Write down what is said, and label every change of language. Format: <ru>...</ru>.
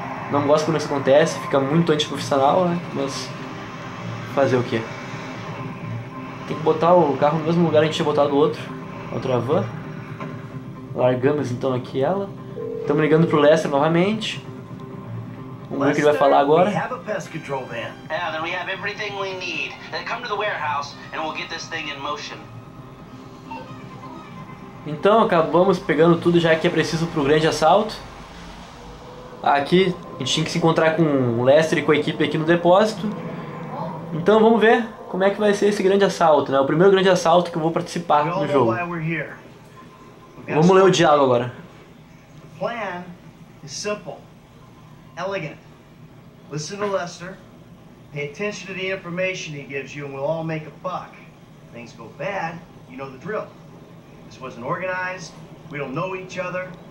<pt>Não gosto quando isso acontece, fica muito antiprofissional, né? Mas fazer o quê? Tem que botar o carro no mesmo lugar que a gente tinha botado o outro. Outra van. Largamos então aqui ela. Estamos ligando pro Lester novamente. Vamos ver o que ele vai falar agora.</pt> <en>We have a pest control van. Yeah, then we have everything we need. Come to the warehouse and we'll get this thing in motion.</en> <pt>Então acabamos pegando tudo já que é preciso pro grande assalto. Aqui a gente tinha que se encontrar com o Lester e com a equipe aqui no depósito. Então vamos ver como é que vai ser esse grande assalto, né? O primeiro grande assalto que eu vou participar no jogo. Vamos ler o diálogo agora.</pt> <en>The plan is simple, elegant. Listen to Lester, pay attention to the information he gives you, and we'll all make a buck. Things go bad, you know the drill. This wasn't organized, we don't know each other.</en>